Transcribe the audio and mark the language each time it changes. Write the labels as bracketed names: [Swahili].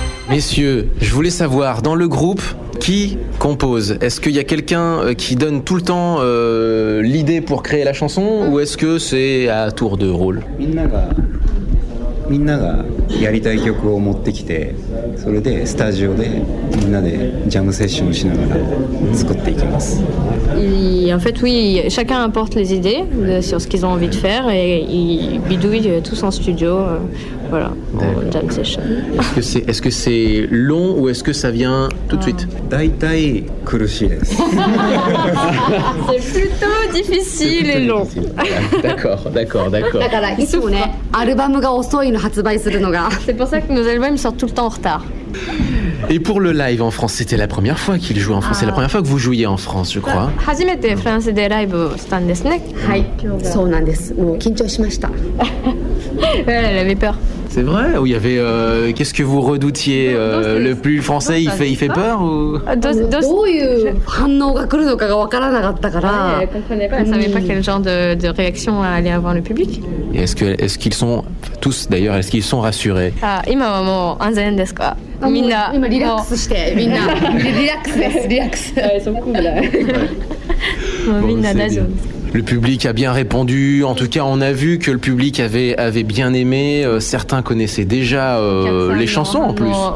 [French] Messieurs, je voulais savoir, dans le groupe, qui compose ? Est-ce qu'il y a quelqu'un qui donne tout le temps l'idée pour créer la chanson, ou est-ce que c'est à tour de rôle ? [Japanese] みんながやりたい曲を持ってきて、それでスタジオでみんなでジャムセッションしながら作っていきます。 [French] En fait, oui, chacun apporte les idées sur ce qu'ils ont envie de faire et ils bidouillent tous en studio, voilà, en jam session. Est-ce que c'est long ou est-ce que ça vient tout de suite? [Japanese] だいたい苦しいです。 [French] C'est plutôt difficile et long. D'accord. [Japanese] だからいつもね、アルバムが遅いの発売するのが。 [French] C'est pour ça que nos albums sortent tout le temps en retard. Et pour le live en France, c'était la première fois qu'il jouait en France. C'est la première fois que vous jouiez en France, je crois. [Japanese] 初めてフランスでライブしたんですね。はい、そうなんです。もう緊張しました。 [French] Elle avait peur. C'est vrai ? Ou il y avait... Qu'est-ce que vous redoutiez ? Le plus français, il fait peur ou... [Japanese] どういう反応が来るのかが分からなかったから。 [French] Elle ne savait pas quel genre de réaction allait avoir le public. Et est-ce qu'ils sont... Tous, d'ailleurs, est-ce qu'ils sont rassurés ? [Japanese] Ah, 今はもう安全ですか ? みんな... 今リラックスして、みんな。リラックスです、リラックス。 [French] Ils sont cool, là. [Japanese] みんな大丈夫ですか。 [French] Le public a bien répondu. En tout cas, on a vu que le public avait bien aimé. Certains connaissaient déjà les chansons en plus.